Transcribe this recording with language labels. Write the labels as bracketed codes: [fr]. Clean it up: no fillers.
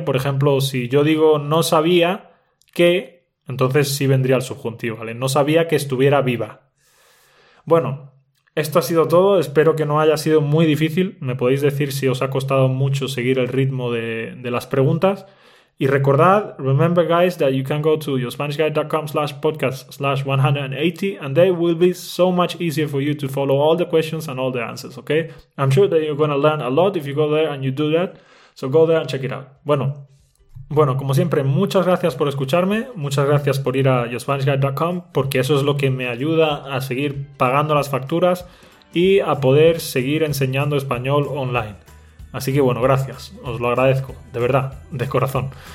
[es] Por ejemplo, si yo digo no sabía que... Entonces sí vendría el subjuntivo, ¿vale? No sabía que estuviera viva. Bueno, esto ha sido todo. Espero que no haya sido muy difícil. Me podéis decir si os ha costado mucho seguir el ritmo de las preguntas. Y recordad, [en] remember guys, that you can go to yourspanishguide.com/podcast/180 and they will be so much easier for you to follow all the questions and all the answers, okay? I'm sure that you're going to learn a lot if you go there and you do that. So go there and check it out. [es] Bueno, como siempre, muchas gracias por escucharme, muchas gracias por ir a yourspanishguide.com porque eso es lo que me ayuda a seguir pagando las facturas y a poder seguir enseñando español online. Así que bueno, gracias, os lo agradezco, de verdad, de corazón.